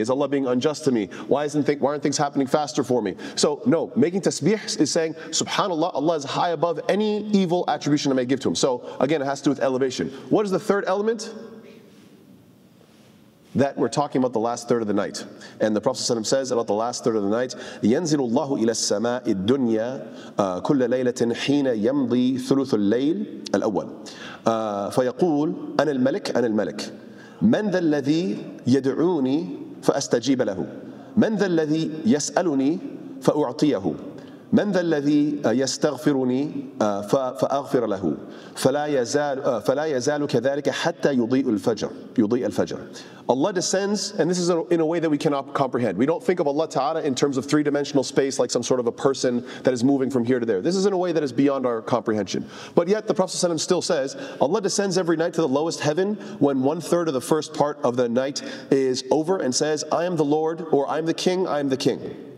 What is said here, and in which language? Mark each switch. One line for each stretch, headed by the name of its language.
English: Is Allah being unjust to me? Why aren't things happening faster for me? So no, making tasbih is saying, subhanAllah, Allah is high above any evil attribution I may give to Him. So again, it has to do with elevation. What is the third element? That we're talking about the last third of the night. And the Prophet ﷺ says about the last third of the night,
Arabic: يَنزِلُ اللَّهُ إِلَى السَّمَاءِ الدُّنْيَا كُلَّ لَيْلَةٍ حِينَ يَمْضِي ثُلُثُ اللَّيْلِ الْأَوَّلِ فَيَقُولُ أَنَا الْمَلِكُ مَنْ ذَا الَّذِي يَدْعُونِي فَأَسْتَجِيبَ لَهُ مَنْ ذَا الَّذِي يَسْأَلُنِي فَأُعْطِيَهُ مَنْ ذَا الَّذِي يَسْتَغْفِرُنِي فَأَغْفِرَ لَهُ فَلَا يَزَالُ كَذَلِكَ حَتَّى يُضِيءُ الْفَجْرِ.
English: Allah descends, and this is in a way that we cannot comprehend. We don't think of Allah Ta'ala in terms of three-dimensional space, like some sort of a person that is moving from here to there. This is in a way that is beyond our comprehension. But yet, the Prophet ﷺ still says, Allah descends every night to the lowest heaven when one-third of the first part of the night is over and says, I am the Lord, or I am the King, I am the King.